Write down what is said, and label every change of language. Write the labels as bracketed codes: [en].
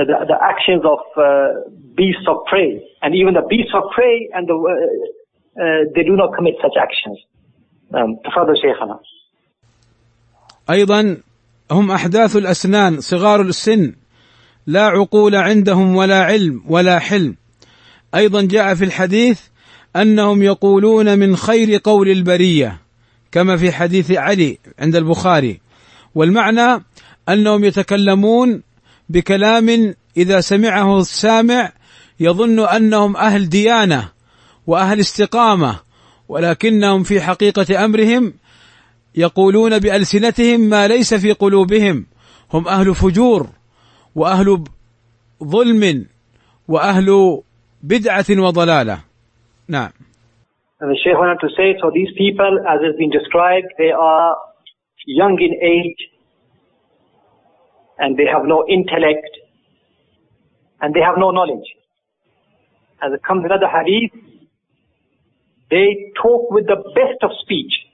[en] The actions of beasts of prey, and even the beasts of prey and the they do not commit such actions. [ar] Tafadhal Shaykhana. أيضا هم أحداث الأسنان صغار السن لا عقول عندهم ولا علم ولا حلم. أيضا جاء في الحديث أنهم يقولون من خير قول البرية كما في حديث علي عند البخاري، والمعنى أنهم يتكلمون بكلام إذا سمعه السامع يظن أنهم أهل ديانة وأهل استقامة، ولكنهم في حقيقة أمرهم يقولون بألسنتهم ما ليس في قلوبهم، هم أهل فجور وأهل ظلم وأهل بدعة وضلالة. نعم. [en] The Shaykh wanted to say, so these people, as has been described, they are young in age, and they have no intellect, and they have no knowledge. As it comes another hadith, they talk with the best of speech.